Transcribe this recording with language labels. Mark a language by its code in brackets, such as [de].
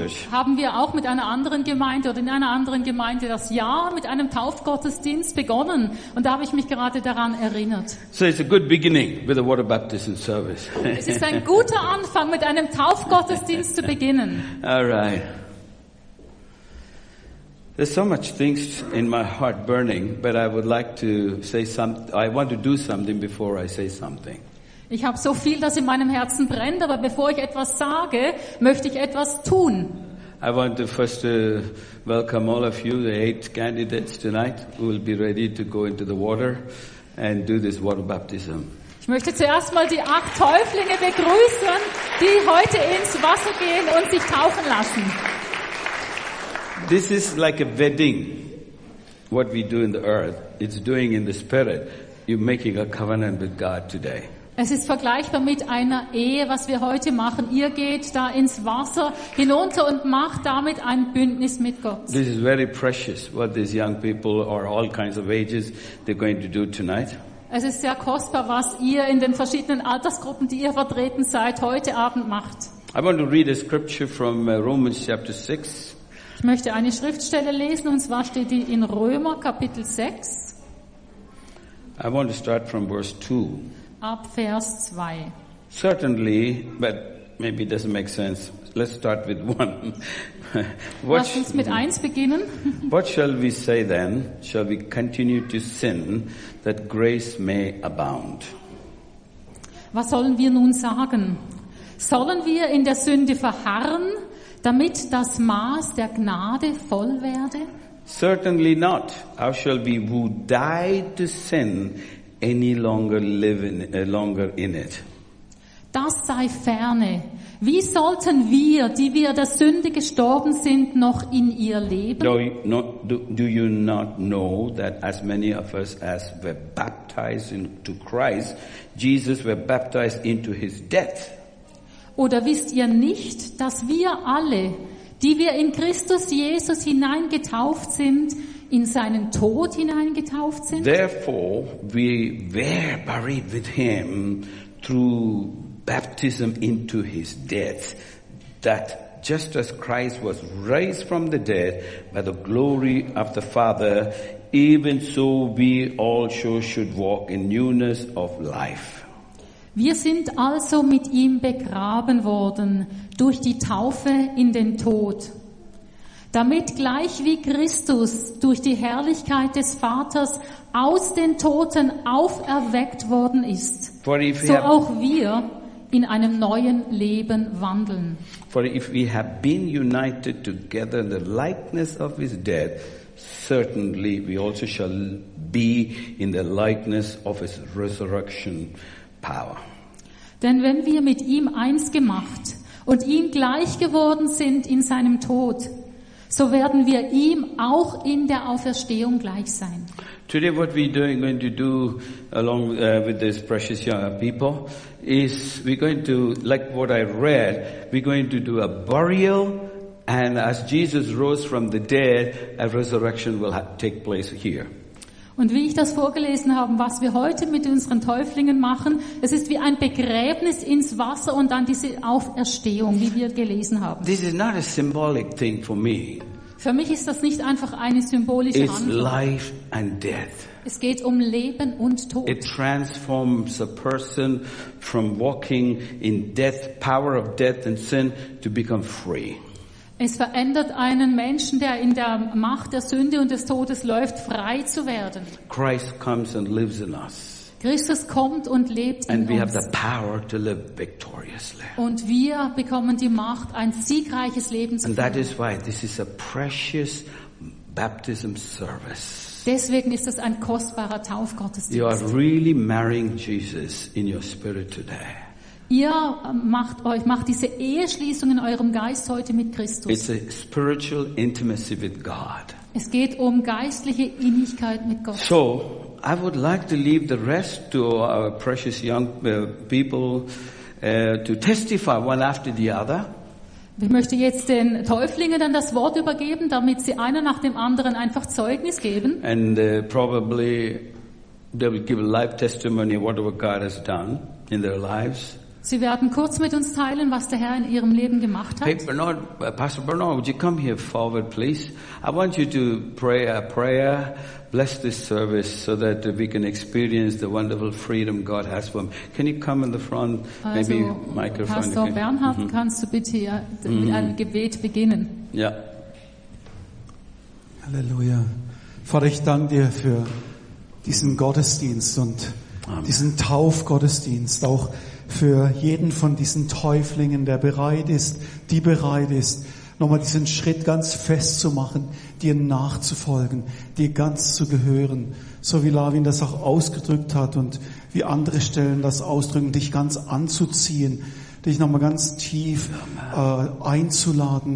[de] Haben wir auch mit einer anderen Gemeinde oder in einer anderen Gemeinde das Jahr mit einem Taufgottesdienst begonnen und da habe ich mich gerade daran erinnert. [en] So it's a good beginning with the water baptism service. [de] Es ist ein guter Anfang mit einem Taufgottesdienst zu beginnen. [en] All right. There's so much things in my heart burning, but I would like to say something. I want to do something before I say something. [de] Ich habe so viel, das in meinem Herzen brennt, aber bevor ich etwas sage, möchte ich etwas tun. [en] I want to first welcome all of you, the 8 candidates tonight, who will be ready to go into the water and do this water baptism. [de] Ich möchte zuerst mal die 8 Täuflinge begrüßen, die heute ins Wasser gehen und sich taufen lassen. [en] This is like a wedding, what we do in the earth. It's doing in the spirit. You're making a covenant with God today. [de] Es ist vergleichbar mit einer Ehe, was wir heute machen. Ihr geht da ins Wasser hinunter und macht damit ein Bündnis mit Gott. [en] This is very precious what these young people are all kinds of ages they're going to do tonight. [de] Es ist sehr kostbar, was ihr in den verschiedenen Altersgruppen, die ihr vertreten seid, heute Abend macht. [en] I want to read a scripture from Romans chapter 6. [de] Ich möchte eine Schriftstelle lesen und zwar steht die in Römer Kapitel 6. [en] I want to start from verse 2. [de] Ab Vers 2. [en] Certainly, but maybe it doesn't make sense. Let's start with 1. [de] Lass uns mit 1 beginnen. [en] What shall we say then? Shall we continue to sin that grace may abound? [de] Was sollen wir nun sagen? Sollen wir in der Sünde verharren, damit das Maß der Gnade voll werde? [en] Certainly not. How shall we who died to sin any longer live in, longer in it? [de] Das sei ferne. Wie sollten wir, die wir der Sünde gestorben sind, noch in ihr leben? [en] Do you not know that as many of us as were baptized into Christ, Jesus were baptized into his death? [de] Oder wisst ihr nicht, dass wir alle, die wir in Christus Jesus hineingetauft sind, in seinen Tod hineingetauft sind? [en] Therefore we were buried with him through baptism into his death, that just as Christ was raised from the dead by the glory of the Father, even so we also should walk in newness of life. [de] Wir sind also mit ihm begraben worden durch die Taufe in den Tod, damit gleich wie Christus durch die Herrlichkeit des Vaters aus den Toten auferweckt worden ist, so auch wir in einem neuen Leben wandeln. [en] For if we have been united together in the likeness of his death, certainly we also shall be in the likeness of his resurrection power. [de] Denn wenn wir mit ihm eins gemacht und ihm gleich geworden sind in seinem Tod, so werden wir ihm auch in der Auferstehung gleich sein. [en] Today what we're doing, going to do along with these precious young people is we're going to, like what I read, we're going to do a burial And as Jesus rose from the dead, a resurrection will take place here. [de] Und wie ich das vorgelesen habe, was wir heute mit unseren Täuflingen machen, es ist wie ein Begräbnis ins Wasser und dann diese Auferstehung, wie wir gelesen haben. [en] This is not a symbolic thing for me. [de] Für mich ist das nicht einfach eine symbolische Handlung. [en] It's life and death. [de] Es geht um Leben und Tod. [en] It transforms a person from walking in death, power of death and sin, to become free. [de] Es verändert einen Menschen, der in der Macht der Sünde und des Todes läuft, frei zu werden. [en] Christ comes and lives in us. [de] Christus kommt und lebt [en] and we [de] uns. [en] Have the power to live victoriously. [de] Und wir bekommen die Macht, ein siegreiches Leben zu [en] and [de] führen. [en] That is why this is a precious baptism service. [de] Deswegen ist es ein kostbarer Taufgottesdienst. [en] You are really marrying Jesus in your spirit today. [de] Ihr macht euch macht diese Eheschließung in eurem Geist heute mit Christus. [en] It's a spiritual intimacy with God. [de] Es geht um geistliche Innigkeit mit Gott. [en] So, I would like to leave the rest to our precious young people to testify one after the other. [de] Ich möchte jetzt den Täuflingen dann das Wort übergeben, damit sie einer nach dem anderen einfach Zeugnis geben. [en] And probably they will give a live testimony of whatever God has done in their lives. [de] Sie werden kurz mit uns teilen, was der Herr in ihrem Leben gemacht hat. [en] Hey, Bernard, Pastor Bernard, would you come here forward, please? I want you to pray a prayer, bless this service, so that we can experience the wonderful freedom God has for him. Can you come in the front, also, maybe microphone? Pastor Bernhard, mm-hmm. [de] kannst du bitte hier mit einem Gebet beginnen? Ja. Halleluja. Vater, ich danke dir für diesen Gottesdienst und Amen. Diesen Taufgottesdienst, auch für jeden von diesen Täuflingen, der bereit ist, die bereit ist, nochmal diesen Schritt ganz fest zu machen, dir nachzufolgen, dir ganz zu gehören, so wie Lavin das auch ausgedrückt hat und wie andere Stellen das ausdrücken, dich ganz anzuziehen, dich nochmal ganz tief einzuladen.